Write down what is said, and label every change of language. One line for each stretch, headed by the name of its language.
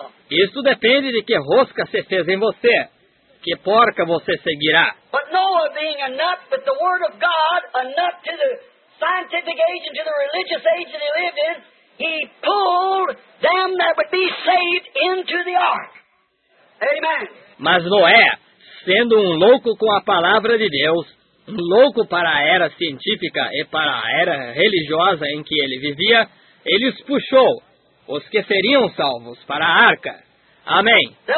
Portuguese: Isso depende de que rosca se fez em você. Que porca você seguirá.
English: But Noah being a nut, but the word of God, a nut to the scientific age and to the religious age that he lived in, he pulled them that would be saved into the ark. Amen.
Portuguese: Mas Noé, sendo um louco com a palavra de Deus, um louco para a era científica e para a era religiosa em que ele vivia, ele os puxou, os que seriam salvos, para a arca. Amém.